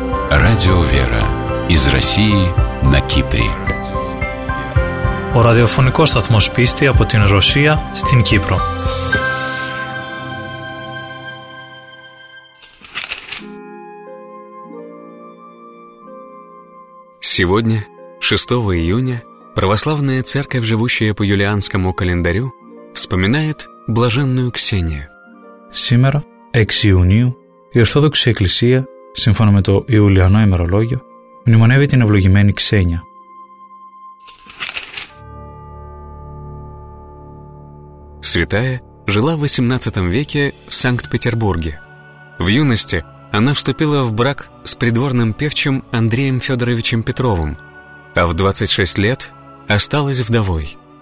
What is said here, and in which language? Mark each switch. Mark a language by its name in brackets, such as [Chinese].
[Russian] Радио «Вера» из России на Кипре. [Greek] Ο ραδιοφωνικός σταθμός πίστη από την Ρωσία στην Κύπρο. [Russian] Сегодня, 6 июня, православная церковь, живущая по юлианскому календарю, вспоминает блаженную Ксению. Сегодня, 6 июня, [Greek] η Ορθόδοξη Εκκλησία, σύμφωνα με το Ιουλιανό ημερολόγιο, μνημονεύει την ευλογημένη Ξένια. [Russian] Святая жила в 18 веке в Санкт-Петербурге. В юности она вступила в брак с придворным певчим Андреем Федоровичем Петровым, а в 26 лет осталась вдовой.